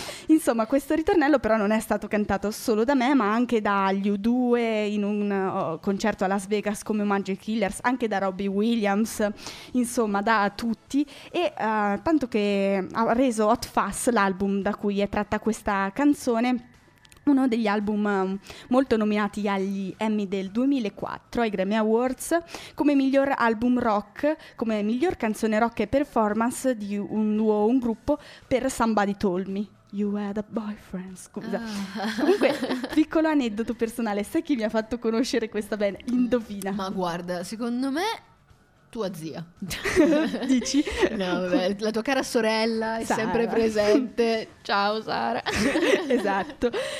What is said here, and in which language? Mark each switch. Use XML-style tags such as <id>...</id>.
<it>Insomma, questo ritornello però non è stato cantato solo da me ma anche dagli U2 in un concerto a Las Vegas come omaggio ai Killers, anche da Robbie Williams, insomma da tutti, e tanto che ha reso Hot Fuzz l'album da cui è tratta questa canzone uno degli album molto nominati agli Emmy del 2004, ai Grammy Awards, come miglior album rock, come miglior canzone rock e performance di un duo o un gruppo per Somebody Told Me.</it> <en>You had a boyfriend,</en> <it>scusa. Comunque, piccolo aneddoto personale, sai chi mi ha fatto conoscere questa band? Indovina. Ma guarda, secondo me... tua zia. Dici? No, vabbè, la tua cara sorella è Sara. Sempre presente. Ciao Sara. Esatto.</it>